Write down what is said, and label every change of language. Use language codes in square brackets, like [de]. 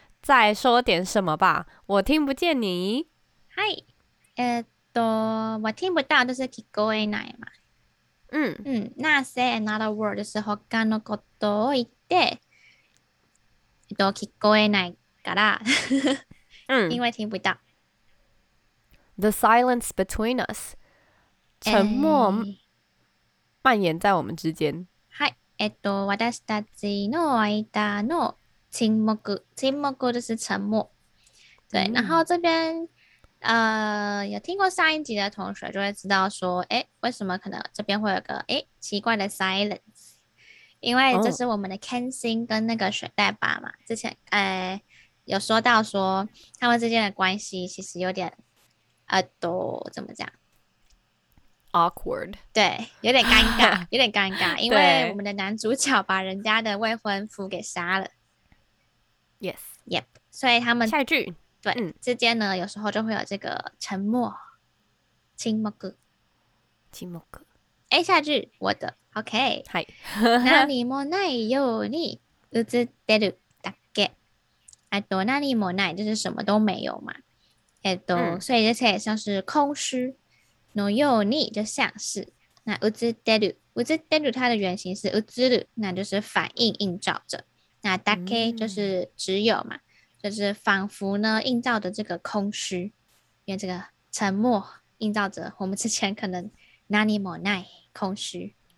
[zh] 再说点什么吧，我听不见你。嗨，我听不到，就是 [ja] 聞こえないま。嗯。那 [en] say another word [ja] 的时候，他のことを言って、聞こえないから、嗯 [zh] 因为听不到。， [en] The silence between us， [zh] 沉默蔓延在我们之间。 [ja] 私たちの間の沈黙、沈黙 [zh] 就是沉默。对，然嗯，后这边。有听过上一集的同学就会知道说，为什么可能这边会有个奇怪的 silence？因为这哦。是我们的 Kenshin 跟那个雪代爸嘛，之前有说到说他们之间的关系其实有点怎么讲？ [en] Awkward， [zh] 对，有点尴尬，有点尴尬，因为我对们的男主角把人家的未婚夫给杀了。 [en] ，Yes， [zh] Yep，所以他们。下一句，对，嗯，之间呢，有时候就会有这个沉默，沉默。寂寞哥，下句我的，OK。嗨， [ja] 何もないように映ってるだけ。何もない [zh] 就是什么都没有嘛。嗯。所以这些也像是空虚。のように就像是，那映ってる它的原型是映る，那就是反映映照着。那だけ就是只有嘛。就是仿佛呢，映照着这个空虚，因为这个沉默映照着我们之前可能哪里莫奈空虚。